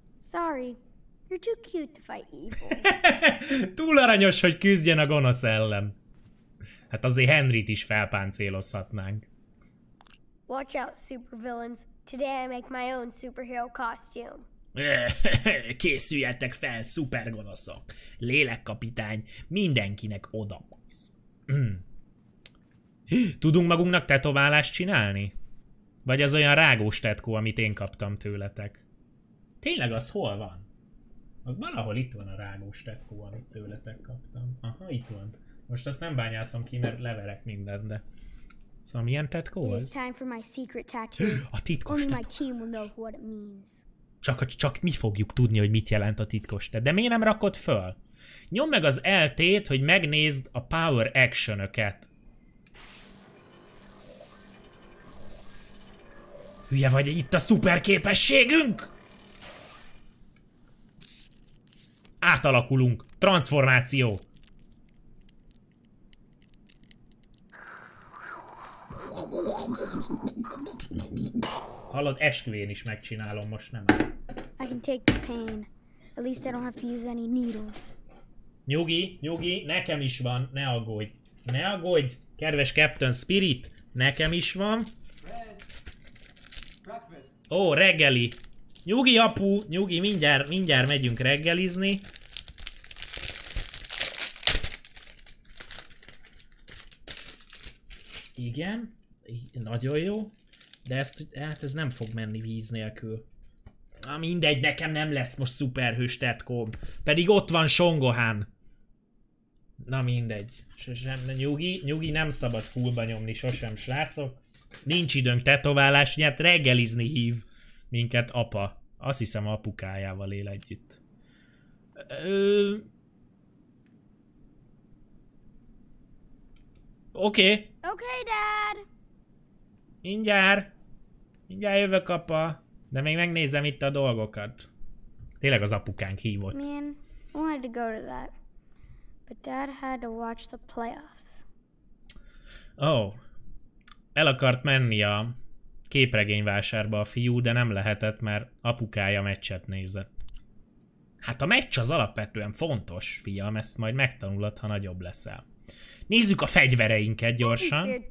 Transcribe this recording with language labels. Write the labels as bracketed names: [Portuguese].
[English] Sorry, you're too cute to fight evil. [Hungarian] Túl aranyos, hogy küzdjen a gonosz ellen. Hát azért Henryt is felpáncélozhatnánk. [English] Watch out, supervillains. Today I make my own superhero costume. [Hungarian] Készüljetek fel, szupergonoszok. Lélekkapitány, mindenkinek oda basz. Tudunk magunknak tetoválást csinálni? Vagy az olyan rágós tetkó, amit én kaptam tőletek? Tényleg az hol van? Valahol itt van a rágós tetkó, amit tőletek kaptam. Aha, itt van. Most azt nem bányászom ki, mert leverek mindent, de... Szóval milyen tetkó az? [English] It is time for my secret tattoo. [Hungarian] A titkos tetkó. [English] Only my team will know what it means. [Hungarian] Csak mi fogjuk tudni, hogy mit jelent a titkos te. De miért nem rakod föl? Nyomd meg az LT-t, hogy megnézd a power action-öket. Hülye vagy, itt a szuperképességünk? Átalakulunk. Transformáció. Hallod, esküvén is megcsinálom, most nem. [English] I can take the pain. At least I don't have to use any needles. [Hungarian] Nyugi, nyugi, nekem is van, ne aggódj. Ne aggódj, kedves Captain Spirit, nekem is van. Ó, reggeli. Nyugi, apu, nyugi, mindjárt megyünk reggelizni. Igen. Nagyon jó, de ez nem fog menni víz nélkül. Na mindegy, nekem nem lesz most szuperhős tetkóm. Pedig ott van Son Gohan. Na mindegy. Nyugi, nem szabad fullba nyomni sosem, srácok. Nincs időnk tetoválás, nyert reggelizni hív minket apa. Azt hiszem apukájával él együtt. Oké. [English] Okay, dad. [Hungarian] Mindjárt jövök, apa. De még megnézem itt a dolgokat. Tényleg az apukánk hívott. [English] Man, I wanted to go to that. But dad had to watch the playoffs. Oh. [Hungarian] El akart menni a képregényvásárba a fiú, de nem lehetett, mert apukája meccset nézett. Hát a meccs az alapvetően fontos, fiam, ezt majd megtanulod, ha nagyobb leszel. Nézzük a fegyvereinket gyorsan.